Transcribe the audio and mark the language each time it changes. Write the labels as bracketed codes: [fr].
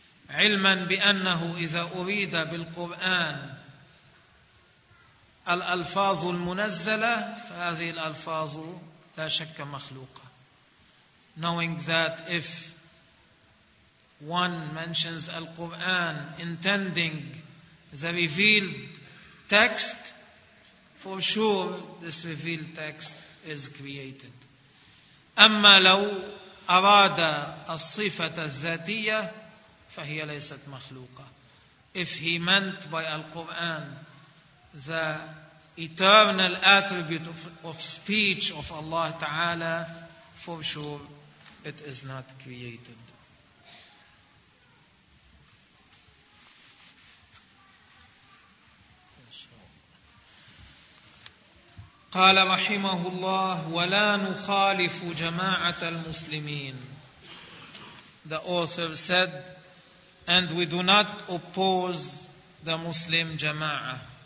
[ar] عِلْمًا بِأَنَّهُ إِذَا أُرِيدَ بِالْقُرْآنِ الْأَلْفَاظُ الْمُنَزَّلَةِ فَهَذِهِ الْأَلْفَاظُ لَا شَكَّ مَخْلُوقَةٌ. [en] Knowing that if one mentions Al-Qur'an intending the revealed text, for sure this revealed text is created. [ar] أما لو أراد الصفة الذاتية فهي ليست مخلوقة. [en] If he meant by Al-Quran the eternal attribute of speech of Allah Ta'ala, for sure it is not created. [ar] قال رحمه الله ولا نخالف جماعة المسلمين. [en] The author said, and we do not oppose the Muslim jama'ah.